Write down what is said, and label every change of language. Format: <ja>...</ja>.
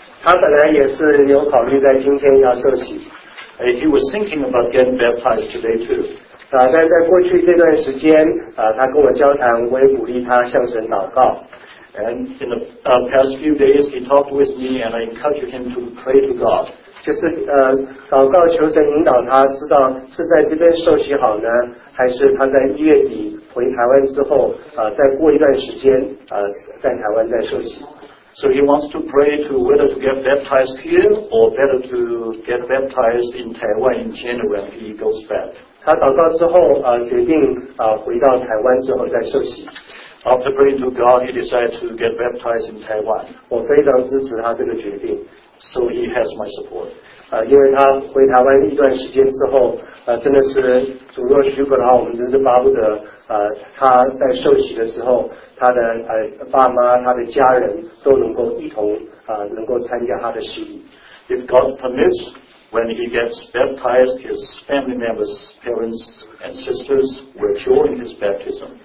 <zh>他本来也是有考虑在今天要受洗。</zh> <en>He was thinking about getting baptized today too.</en> <zh>但在过去这段时间他跟我交谈，我也鼓励他向神祷告。</zh> <en>And in the past few days, he talked with me, and I encouraged him to pray to God.</en> <zh>就是祷告求神引导他，知道是在这边受洗好呢，还是他在一月底回台湾之后，再过一段时间，在台湾再受洗。</zh> <en>So he wants to pray to whether to get baptized here or better to get baptized in Taiwan in January when he goes back.</en> <zh>他祷告之后，决定回到台湾之后再受洗。</zh> <en>After praying to God, he decided to get baptized in Taiwan.</en> <zh>我非常支持他这个决定。</zh> <en>So he has my support.</en> <zh>因为他回台湾一段时间之后，真的是主若许可的话，我们真是巴不得他在受洗的时候，他的爸妈、他的家人都能够一同能够参加他的洗礼。</zh> <en>If God permits, when he gets baptized, his family members, parents and sisters will join his baptism.</en>